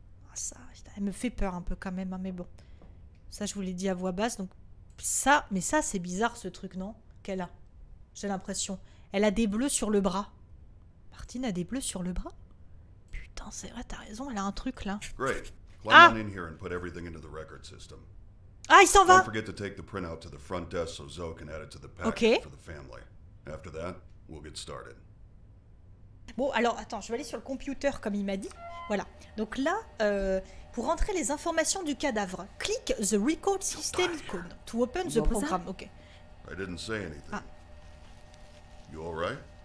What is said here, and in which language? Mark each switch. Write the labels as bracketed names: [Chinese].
[French] Ah, ça, elle me fait peur un peu quand même, hein, mais bon. Ça, je vous l'ai dit à voix basse, donc... Ça, mais ça, c'est bizarre, ce truc, non? Qu'elle a, j'ai l'impression. Elle a des bleus sur le bras. Martine a des bleus sur le bras? Putain, c'est vrai, t'as raison, elle a un truc, là. [English] Great. Climb on in here and put everything into the record system. [French] Ah, il s'en va! [English] Don't forget to take the printout to the front desk so Zoe can add it to the packet for the family. After that... We'll get started. [French] Bon, alors, attends, je vais aller sur le computer, comme il m'a dit. Voilà. Donc là, pour rentrer les informations du cadavre, [English] click the record system icon to open the program. OK. I didn't say anything. You all right?